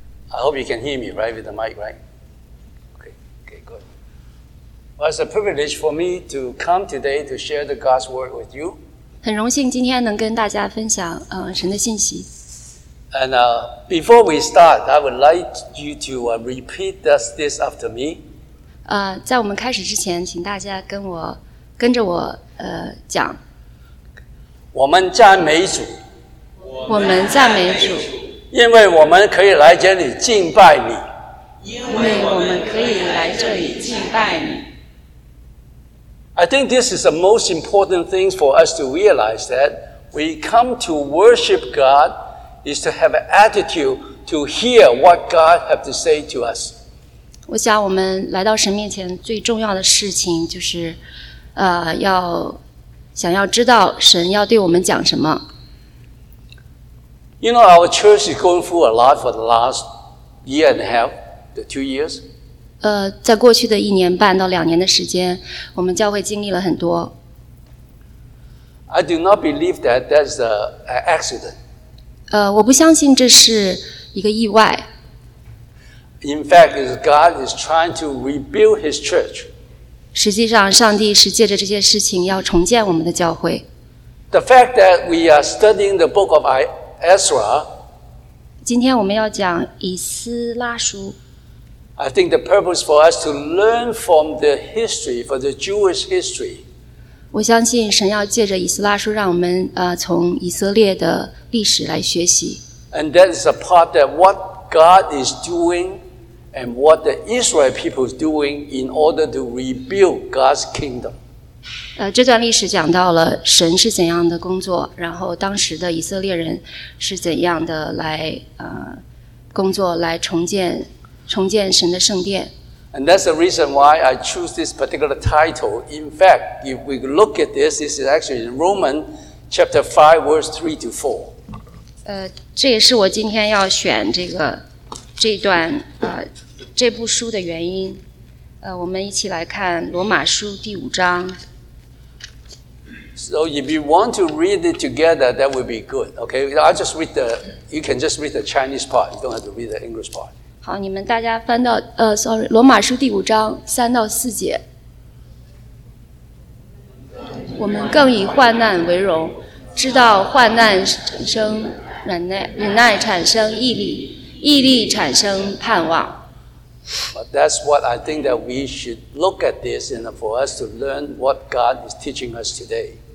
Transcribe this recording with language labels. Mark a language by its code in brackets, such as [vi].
[en] I hope you can hear me right with the mic, right? Okay, good. Well, it's a privilege for me to come today to share the God's word with you. [zh] 很荣幸今天能跟大家分享神的信息。 [en] And before we start, I would like you to repeat this after me. [zh] 在我们开始之前，请大家跟着我讲。我们赞美主，我们赞美主，因为我们可以来这里敬拜你，因为我们可以来这里敬拜你。 [en] I think this is the most important thing for us to realize that we come to worship God is to have an attitude to hear what God has to say to us. [zh] 我想我们来到神面前最重要的事情就是，要。想要知道神要对我们讲什么。 [en] You know, our church is going through a lot for the last year and a half, the 2 years. [zh] 在过去的一年半到两年的时间，我们教会经历了很多。 [en] I do not believe that's an accident. [zh] 我不相信这是一个意外。 [en] In fact, God is trying to rebuild His church. [zh] 实际上上帝是借着这些事情要重建我们的教会。 [en] The fact that we are studying the book of Ezra, [zh] 今天我们要讲以斯拉书。 [en] I think the purpose for us to learn from the history, for the Jewish history, [zh] 我相信神要借着以斯拉书让我们从以色列的历史来学习。 [en] And that is a part that what God is doing,and what the Israel people is doing in order to rebuild God's kingdom. [zh] 这段历史讲到了神是怎样的工作，然后当时的以色列人是怎样的来工作来重建神的圣殿。 [en] And that's the reason why I choose this particular title. In fact, if we look at this, this is actually in Romans chapter 5, verse 3 to 4. [zh] 这也是我今天要选这段这部书的原因，我们一起来看罗马书第五章。 [en] So if you want to read it together, that would be good. Okay, I'll just read the. You can just read the Chinese part. You don't have to read the English part. [zh] 好，你们大家翻到罗马书第五章3-4节。我们更以患难为荣，知道患难产生忍耐，忍耐产生毅力。毅力产生盼望。 [en] But that's what I think that we should look at this and for us to learn what God is teaching us today.